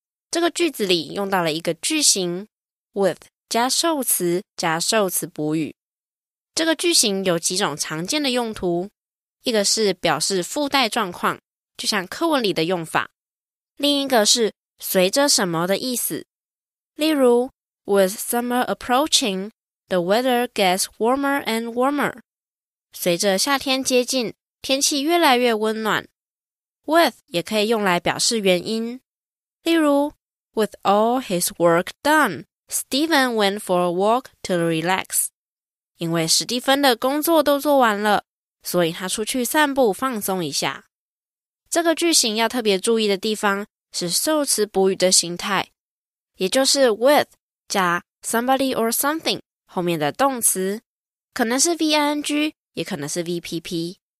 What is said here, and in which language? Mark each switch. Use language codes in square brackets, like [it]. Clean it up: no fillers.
[zh] 这个句子里用到了一个句型 with 加受词加受词补语。这个句型有几种常见的用途，一个是表示附带状况，就像课文里的用法，另一个是随着什么的意思。例如 [en] with summer approaching, the weather gets warmer and warmer. [zh] 随着夏天接近，天气越来越温暖。 [en] With [zh] 也可以用来表示原因，例如 [en] With all his work done, Stephen went for a walk to relax. [zh] 因为史蒂芬的工作都做完了，所以他出去散步放松一下。这个句型要特别注意的地方是受词补语的形态，也就是 with 加 [en] somebody or something [zh] 后面的动词，可能是 VING 也可能是 VPP。